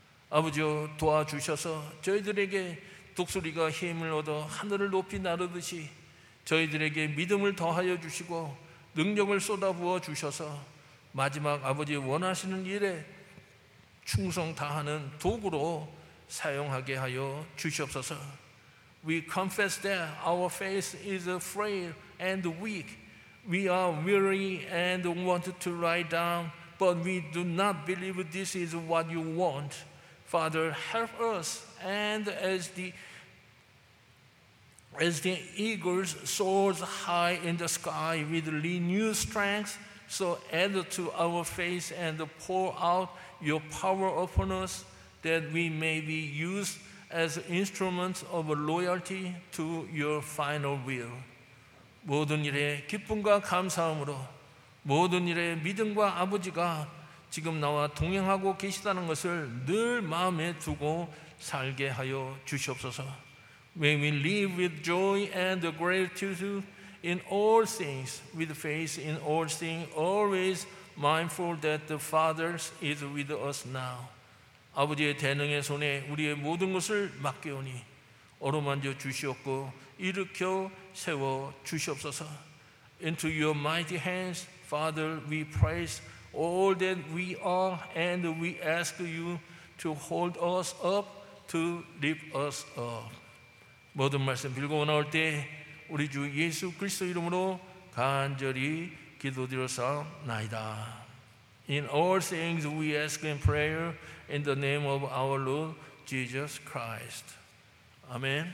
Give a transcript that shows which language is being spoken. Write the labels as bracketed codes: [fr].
[ko] 아버지여 도와주셔서 저희들에게 독수리가 힘을 얻어 하늘을 높이 나르듯이 저희들에게 믿음을 더하여 주시고 능력을 쏟아부어 주셔서 마지막 아버지 원하시는 일에 충성 다하는 도구로 사용하게 하여 주시옵소서. [en] We confess that our faith is frail and weak. We are weary and want to lie down, but we do not believe this is what you want. Father, help us, and as the eagles soars high in the sky with renewed strength, so add to our faith and pour out your power upon us, that we may be used as instruments of loyalty to your final will. [ko] 모든 일에 기쁨과 감사함으로 모든 일에 믿음과 아버지가 지금 나와 동행하고 계시다는 것을 늘 마음에 두고 살게 하여 주시옵소서. [en] May we live with joy and gratitude in all things, with faith in all things, always mindful that the Father is with us now. [ko] 아버지의 대능의 손에 우리의 모든 것을 맡겨오니 어루만져 주시옵고 일으켜 세워 주시옵소서. [en] Into your mighty hands, Father, we praise all that we are, and we ask you to hold us up, to lift us up. [ko] 모든 말씀 빌고 나올 때 우리 주 예수 그리스도 이름으로 간절히 기도드렸사옵나이다. [en] In all things we ask in prayer in the name of our Lord Jesus Christ. Amen.